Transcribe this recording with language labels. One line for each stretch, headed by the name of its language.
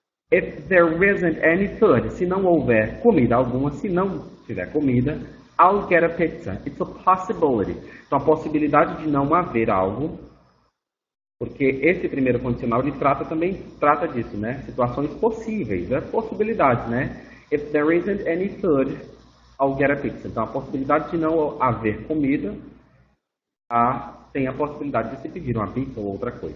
English: If there isn't any food,
Portuguese: se não houver comida alguma, se não tiver comida,
English: I'll get a pizza. It's a possibility.
Portuguese: Então, a possibilidade de não haver algo, porque esse primeiro condicional, ele trata também, trata disso, né? Situações possíveis, né? Possibilidades, né?
English: If there isn't any food, I'll get a pizza.
Portuguese: Então, a possibilidade de não haver comida, tem a possibilidade de se pedir uma pizza ou outra coisa.